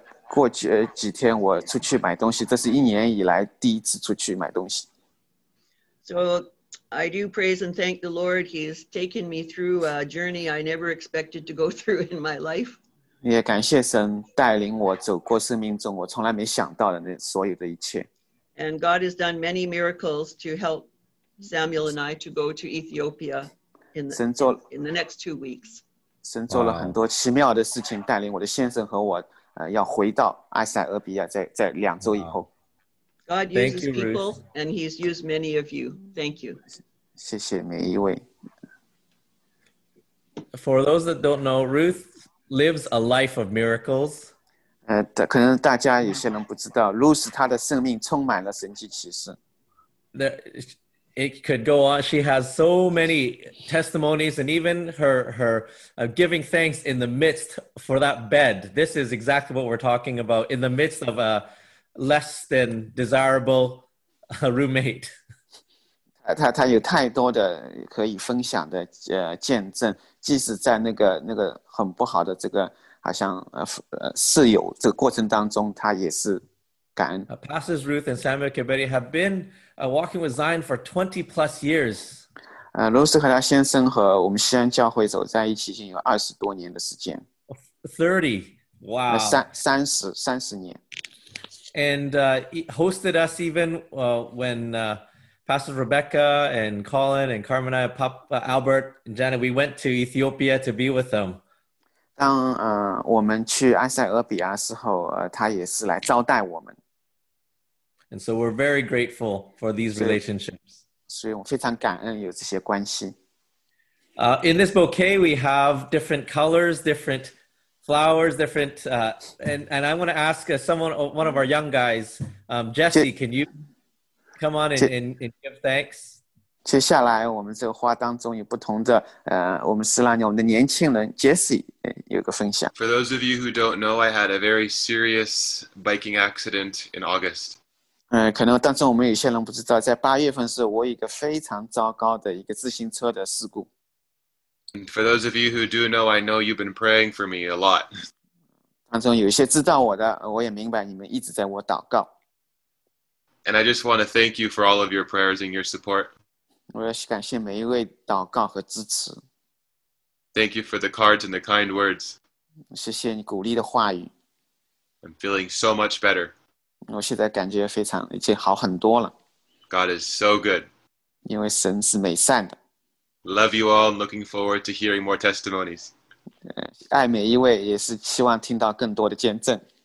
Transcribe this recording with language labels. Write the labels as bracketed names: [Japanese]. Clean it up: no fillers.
[Chinese] 过去几天我出去买东西，这是一年以来第一次出去买东西。 [English] So I do praise and thank the Lord. He has taken me through a journey I never expected to go through in my life. [Chinese] 也感谢神带领我走过生命中我从来没想到的那所有的一切。 [English] And God has done many miracles to help Samuel and I to go to Ethiopia in the next 2 weeks. [Chinese] 神做了很多奇妙的事情，带领我的先生和我要回到埃塞俄比亚，在两周以后。 [English] God uses people, and He's used many of you. Thank you. [Chinese] 谢谢每一位。 [English] For those that don't know, Ruth lives a life of miracles. [Chinese] 可能大家有些人不知道 ，Ruth 她的生命充满了神迹奇事。 [English] It could go on. She has so many testimonies, and even her giving thanks in the midst for that bed. This is exactly what we're talking about, in the midst of a less than desirable roommate. [Chinese] 她有太多的可以分享的见证，即使在那个很不好的这个好像室友这个过程当中，她也是感恩。 [English] Pastors Ruth and Samuel Kibetti have been walking with Zion for 20 plus years. [Chinese] 罗斯和他先生和我们西安教会走在一起已经有二十多年的时间。 [English] 30, wow. [Chinese] 三十年。 [English] And hosted us even when Pastor Rebecca and Colin and Carmen and I, Papa Albert and Janet, we went to Ethiopia to be with them. [Chinese] 当我们去埃塞俄比亚的时候，他也是来招待我们。 [English] And so we're very grateful for these relationships. [Chinese] 所以我非常感恩有这些关系。 [English] In this bouquet, we have different colors, different flowers, different... And I want to ask someone, one of our young guys, Jesse, can you come on and give thanks? [Chinese] 接下来我们这个花当中有不同的我们是让我们的年轻人 Jesse 有个分享。 [English] For those of you who don't know, I had a very serious biking accident in August. [Chinese] 可能当中我们有些人不知道，在八月份是我一个非常糟糕的一个自行车的事故。 [English] For those of you who do know, I know you've been praying for me a lot. [Chinese] 当中有一些知道我的，我也明白你们一直在我祷告。 [English] And I just want to thank you for all of your prayers and your support. [Chinese] 我要感谢每一位祷告和支持。 [English] Thank you for the cards and the kind words. [Chinese] 谢谢你鼓励的话语。 [English] I'm feeling so much better. [Chinese] 我现在感觉非常已经好很多了。 [English] God is so good. [Chinese] 因为神是美善的。 [English] Love you all. Looking forward to hearing more testimonies. [Chinese] 爱每一位，也是希望听到更多的见证。